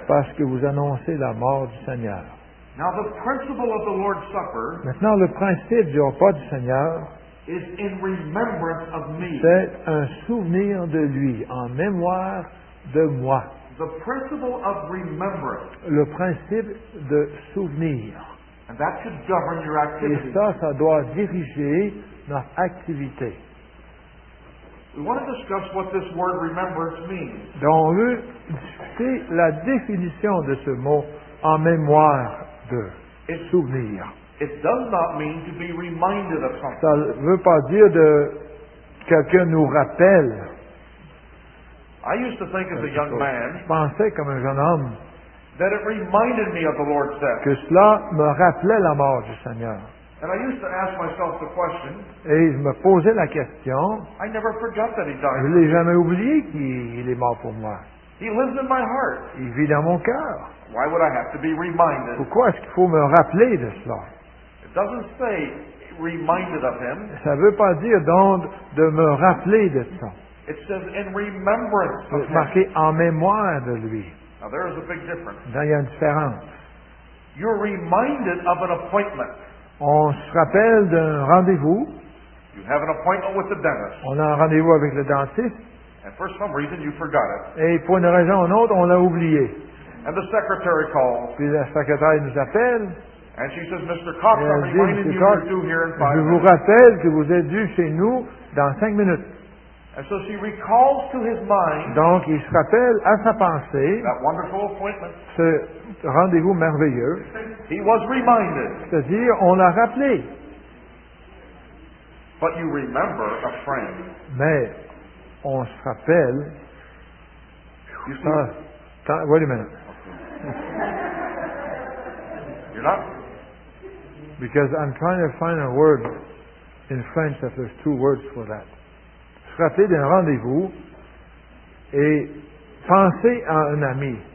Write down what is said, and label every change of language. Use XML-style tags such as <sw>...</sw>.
<fr>C'est parce que vous annoncez la mort du Seigneur.</fr> <en>Now the principle of the Lord's Supper.</en> <fr>Maintenant le principe du repas du Seigneur.</fr> <en>Is in remembrance of me.</en> <fr>C'est un souvenir de lui, en mémoire de moi.</fr> <en>The principle of remembrance.</en> <fr>Le principe de souvenir.</fr> <en>And that should govern your activity.</en> <fr>Et ça doit diriger notre activité.</fr> <en>We want to discuss what this word remembrance means.</en> <fr>Donc, on veut discuter la définition de ce mot en mémoire de, souvenir.</fr> <en>It does not mean to be reminded of something.</en> <fr>Ça ne veut pas dire de quelqu'un nous rappelle.</fr> <en>I used to think as a young man.</en> <fr>Je pensais comme un jeune homme.</fr> <en>that it reminded me of the Lord's death.</en> <fr>Que cela me rappelait la mort du Seigneur.</fr> <en>And I used to ask myself the question.</en> <fr>Et je me posais la question.</fr> <en>I never forgot that he died.</en> <fr>Je l'ai jamais oublié qu'il est mort pour moi.</fr> <en>He lives in my heart.</en> <fr>Il vit dans mon cœur.</fr> <en>Why would I have to be reminded?</en> <fr>Pourquoi est-ce qu'il faut me rappeler de cela?</fr> <en>It doesn't say reminded of him.</en> <fr>Ça veut pas dire donc de me rappeler de ça.</fr> <en>It says in remembrance of him.</en> <fr>C'est marqué en mémoire de lui.</fr> <en>Now there is a big difference.</en> <fr>Là, il y a une différence.</fr> <en>You're reminded of an appointment.</en> <fr>On se rappelle d'un rendez-vous.</fr> <en>You have an appointment with the dentist.</en> <fr>On a un rendez-vous avec le dentiste.</fr> <en>And for some reason you forgot it.</en> <fr>Et pour une raison ou une autre, on l'a oublié.</fr> <en>And the secretary calls.</en> <fr>Puis la secrétaire nous appelle.</fr> <en>And she says, Mr. Cox, I'm reminding you you're due here in 5 minutes.</en> <fr>Je vous rappelle que vous êtes dû chez nous dans 5 minutes.</fr> <en>And so she recalls to his mind.</en> <fr>Donc il se rappelle à sa pensée.</fr> <en>That wonderful appointment.</en> <fr>Ce rendez-vous merveilleux.</fr> <en>He was reminded.</en> <fr>C'est-à-dire, on l'a rappelé.</fr> <en>But you remember a friend.</en> <fr>Mais on se rappelle.</fr> <en>You see? Wait a minute. Okay. You're not. Because I'm trying to find a word in French that there's two words for that.</en> <fr>Se rappeler d'un rendez-vous et penser à un ami.</fr>